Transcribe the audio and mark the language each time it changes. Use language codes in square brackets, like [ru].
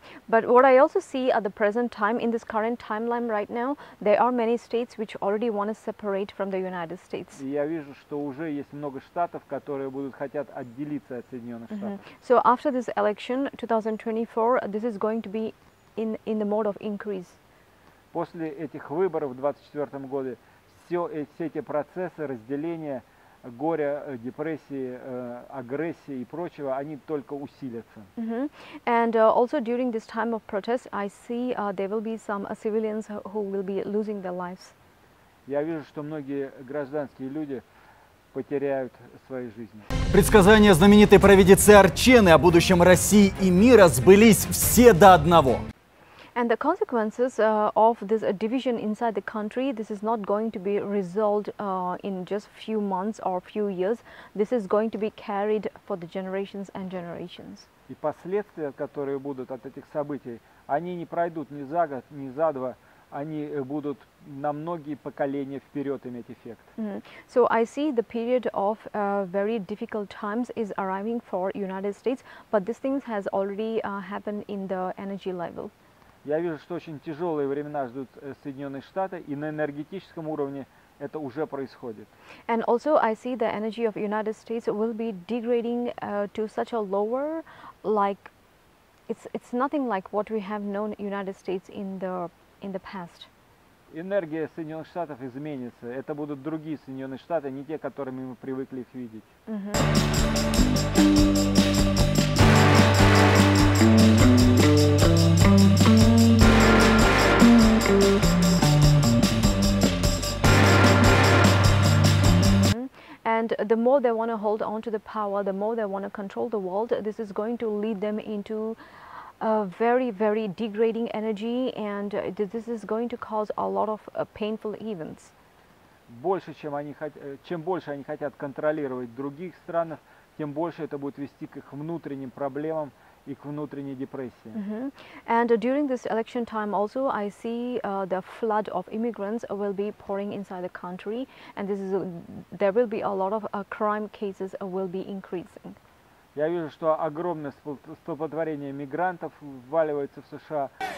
[en] But what I also see at the present time, in this current timeline right now, there are many states which already want to separate from the United States. [ru] Я вижу, что уже есть много штатов, которые будут хотят отделиться от Соединенных Штатов. [en] So after this election, 2024, this is going to be in the mode of increase. [ru] После этих выборов в 24-м году все эти процессы разделения, горя, депрессии, агрессии и прочего, они только усилятся. Mm-hmm. [en] And also during this time of protest, I see there will be some civilians who will be losing their lives. [ru] Я вижу, что многие гражданские люди потеряют свои жизни. Предсказания знаменитой провидицы Арчены о будущем России и мира сбылись все до одного. [en] And the consequences of this division inside the country, this is not going to be resolved in just few months or few years. This is going to be carried for the generations and generations. [ru] И последствия, которые будут от этих событий, они не пройдут ни за год, ни за два. Они будут на многие поколения вперед иметь эффект. Mm-hmm. [en] So I see the period of very difficult times is arriving for United States, but these things has already happened in the energy level. [ru] Я вижу, что очень тяжелые времена ждут Соединенные Штаты, и на энергетическом уровне это уже происходит. [en] And also I see the energy of United States will be degrading to such a lower, like it's nothing like what we have known United States in the past. [ru] Энергия Соединенных Штатов изменится. Это будут другие Соединенные Штаты, не те, которыми мы привыкли их видеть. [en] And the more they want to hold on to the power, the more they want to control the world, this is going to lead them into a very, very degrading energy, and this is going to cause a lot of painful events. [ru] Больше, чем больше они хотят контролировать других стран, тем больше это будет вести к их внутренним проблемам и к внутренней депрессии. Mm-hmm. [en] And during this election time also, I see the flood of immigrants will be pouring inside the country, and there will be a lot of crime cases will be increasing. [ru] Я вижу, что огромное столпотворение мигрантов вваливается в США.